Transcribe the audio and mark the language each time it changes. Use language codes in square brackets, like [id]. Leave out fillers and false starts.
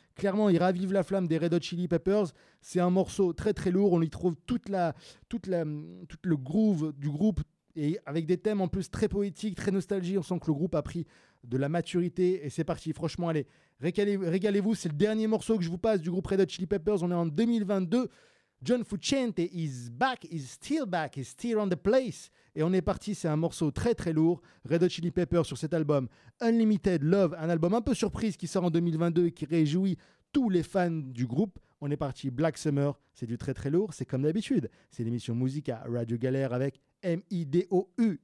[fr] Clairement, il ravive la flamme des Red Hot Chili Peppers. C'est un morceau très très lourd, on y trouve tout le groove du groupe et avec des thèmes en plus très poétiques, très nostalgiques. On sent que le groupe a pris de la maturité et c'est parti. Franchement, allez, régalez-vous, c'est le dernier morceau que je vous passe du groupe Red Hot Chili Peppers. On est en 2022. [en] John Fucente is back, is still back, is still on the place. [fr] Et on est parti, c'est un morceau très très lourd. Red Hot Chili Peppers sur cet album Unlimited Love, un album un peu surprise qui sort en 2022 et qui réjouit tous les fans du groupe. On est parti, Black Summer, c'est du très très lourd, c'est comme d'habitude. C'est l'émission Musica Radio Galère avec M-I-D-O-U.